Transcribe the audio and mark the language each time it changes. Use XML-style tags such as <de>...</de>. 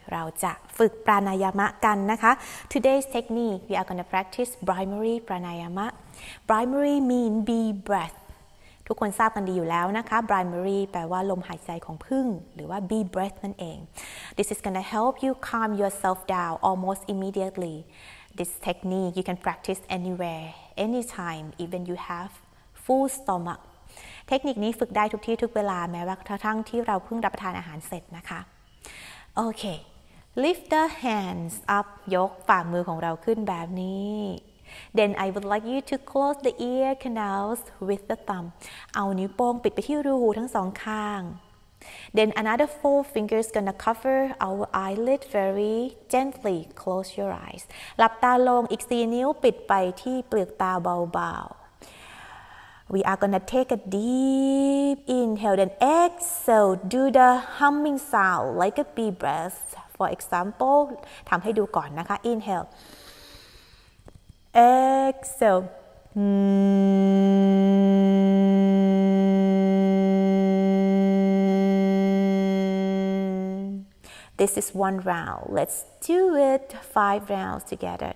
<th>เราจะฝึกปราณายามะกันนะคะ</th> <en>Today's technique, we are gonna practice primary pranayama. Primary mean be breath.</en> <th>ทุกคนทราบกันดีอยู่แล้วนะคะ Primary แปลว่าลมหายใจของผึ้งหรือว่า be breath นั่นเอง</th> <en>This is gonna help you calm yourself down almost immediately. This technique you can practice anywhere, anytime, even you have full stomach.</en> <th>เทคนิคนี้ฝึกได้ทุกที่ทุกเวลาแม้ว่ากระทั่งที่เราเพิ่งรับประทานอาหารเสร็จนะคะ</th> <en>โอเค lift the hands up</en> <th>ยกฝ่ามือของเราขึ้นแบบนี้</th> <en>then I would like you to close the ear canals with the thumb</en> <th>เอานิ้วโป้งปิดไปที่รูหูทั้งสองข้าง</th> <en>then another four fingers gonna cover our eyelid very gently close your eyes</en> <th>หลับตาลงอีก4นิ้วปิดไปที่เปลือกตาเบาๆ</th> <en>We are gonna take a deep inhale then exhale. Do the humming sound like a bee breath. For example,</en> <th>ทำให้ดูก่อนนะคะ</th> <en>Inhale. Exhale. This is one round. Let's do it 5 rounds together.</en>